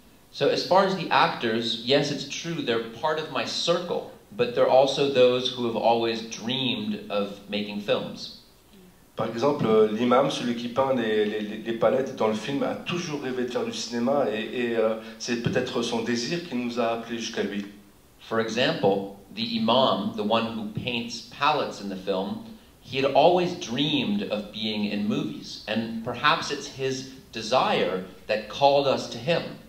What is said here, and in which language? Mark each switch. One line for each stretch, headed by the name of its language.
English: So as far as the actors, yes, it's true, they're part of my circle, but they're also those who have always dreamed of making films.
French: Par exemple, l'imam, celui qui peint les palettes dans le film, a toujours rêvé de faire du cinéma et c'est peut-être son désir qui nous a appelés jusqu'à lui.
English: For example, the imam, the one who paints palettes in the film, he had always dreamed of being in movies, and perhaps it's his desire that called us to him.